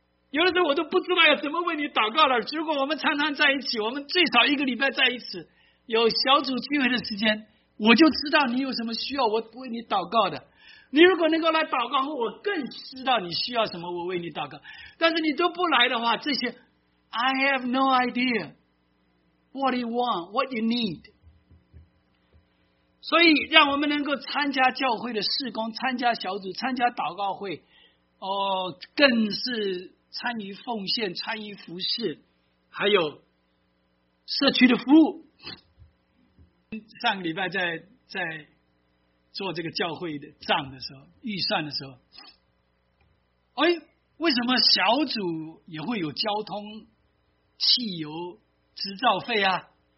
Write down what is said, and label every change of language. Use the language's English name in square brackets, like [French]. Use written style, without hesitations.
[Chinese] 有的时候我都不知道要怎么为你祷告了。如果我们常常在一起，我们最少一个礼拜在一起，有小组聚会的时间，我就知道你有什么需要，我为你祷告的。你如果能够来祷告后，我更知道你需要什么，我为你祷告。但是你都不来的话，这些 [English] I have no idea， what you want, what you need. [Chinese] 所以让我们能够参加教会的事工，参加小组，参加祷告会，哦，更是参与奉献，参与服事，还有社区的服务。上个礼拜在做这个教会的账的时候，预算的时候，哎，为什么小组也会有交通、汽油、执照费啊？